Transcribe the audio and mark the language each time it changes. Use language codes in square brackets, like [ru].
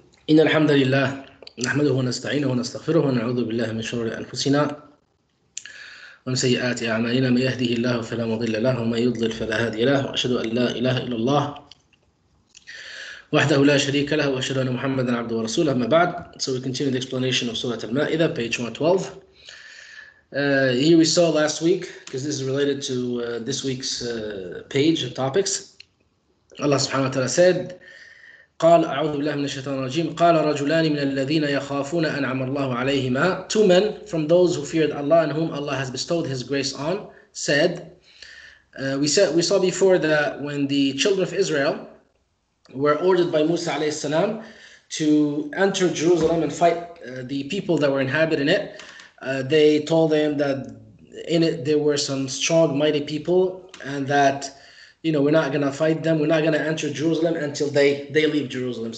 [ar] إن الحمد لله نحمده ونستعينه ونستغفره ونعوذ بالله من شرور أنفسنا ومن سيئات أعمالنا، من يهده الله فلا مضل له ومن يضلل فلا هادي له، وأشهد أن لا إله إلا الله وحده لا شريك له، وأشهد أن محمدا عبده ورسوله. أما بعد، [en] so we continue the explanation of Surah Al-Ma'idah, page 112. Here we saw last week, because this is related to this week's page of topics. [ar] Allah subhanahu wa ta'ala said, قال أعوذ بالله من الشيطان الرجيم قال رجلان من الذين يخافون أنعم الله عليهما. [en] Two men from those who feared Allah and whom Allah has bestowed His grace on said, we saw before that when the children of Israel were ordered by Musa alayhi salam to enter Jerusalem and fight the people that were inhabiting it, they told them that in it there were some strong, mighty people, and that, you know, we're not going to fight them, we're not going to enter Jerusalem until they leave Jerusalem.